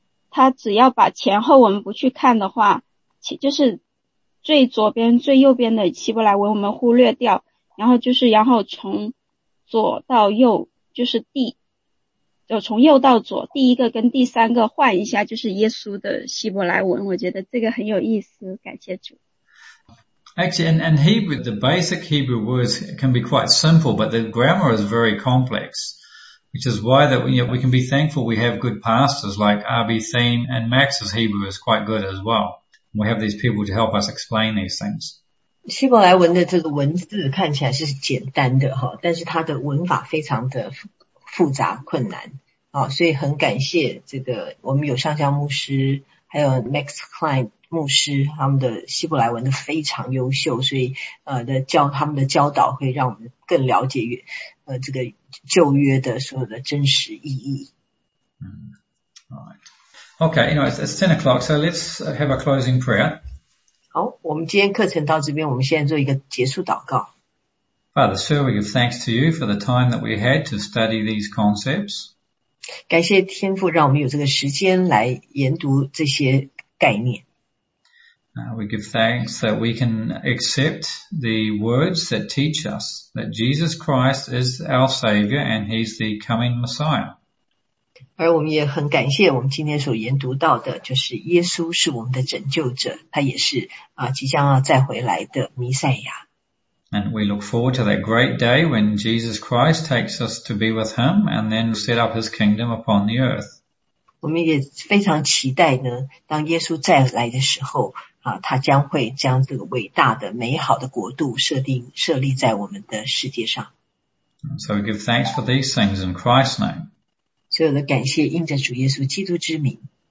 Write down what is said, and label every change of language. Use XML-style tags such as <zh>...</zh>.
<zh>他只要把前后文不去看的话。就是最左边最右边的希伯来文我们忽略掉，然后从左到右，就是从右到左，第一个跟第三个换一下，就是耶稣的希伯来文，我觉得这个很有意思，感谢主。</zh> <en>Actually, and Hebrew, the basic Hebrew words can be quite simple, but the grammar is very complex, which is why that we can be thankful we have good pastors like R.B. Thien, and Max's Hebrew is quite good as well. We have these people to help us explain these things.</en> <zh>希伯来文的这个文字看起来是简单的，但是它的文法非常的复杂困难，所以很感谢这个我们有上校牧师还有 Max Klein 牧师，他们的希伯来文的非常优秀，所以他们的教导会让我们更了解这个旧约的所有的真实意义。</zh> <en>Okay, you know, it's 10 o'clock, so let's have a closing prayer.</en> <zh>好，我们今天课程到这边，我们现在做一个结束祷告。</zh> <en>Father, sir, we give thanks to you for the time that we had to study these concepts.</en> <zh>感谢天父让我们有这个时间来研读这些概念。</zh> <en>We give thanks that we can accept the words that teach us that Jesus Christ is our Savior and He's the coming Messiah.</en> <zh>而我们也很感谢我们今天所研读到的，就是耶稣是我们的拯救者，他也是即将要再回来的弥赛亚。</zh> <en>And we look forward to that great day when Jesus Christ takes us to be with Him and then set up His kingdom upon the earth.</en> <zh>我们也非常期待呢，当耶稣再来的时候他将会将这个伟大的、美好的国度设立在我们的世界上。</zh> <en>So we give thanks for these things in Christ's name.</en> <zh>所有的感谢应着主耶稣基督之名。</zh>